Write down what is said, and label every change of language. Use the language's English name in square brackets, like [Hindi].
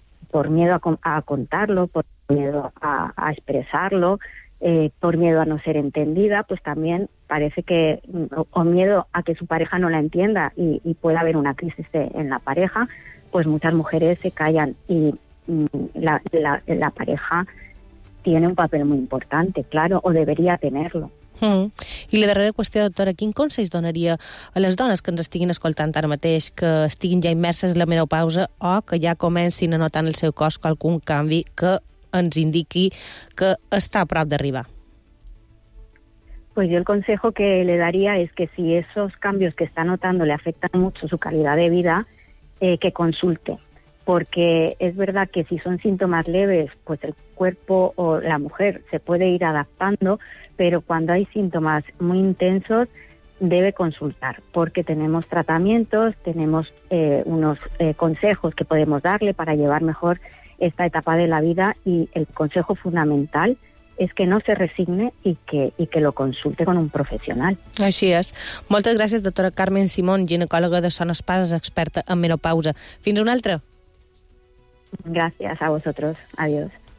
[Spanish] por miedo a contarlo, por miedo a expresarlo, por miedo a no ser entendida, pues también parece que, o miedo a que su pareja no la entienda y pueda haber una crisis en la pareja, pues muchas mujeres se callan y la pareja tiene un papel muy importante, claro, o debería tenerlo. Mm. [Catalan] I la darrera qüestió, doctora, quin consell donaria a les dones que ens estiguin escoltant ara mateix, que estiguin ja immerses en la menopausa o que ja comencin a notar en el seu cos qualcun canvi que ens indiqui que està a prop d'arribar? [Spanish] Pues yo el consejo que le daría es que si esos cambios que está notando le afectan mucho su calidad de vida, que consulte. Porque es verdad que si son síntomas leves, pues el cuerpo o la mujer se puede ir adaptando, pero cuando hay síntomas muy intensos, debe consultar, porque tenemos tratamientos, tenemos unos consejos que podemos darle para llevar mejor esta etapa de la vida, y el consejo fundamental es que no se resigne y que lo consulte con un profesional. [Catalan] Així és. Moltes gràcies, doctora Carmen Simón, ginecòloga de Son Espases, experta en menopausa. Fins una altra. [Spanish] Gracias a vosotros. Adiós.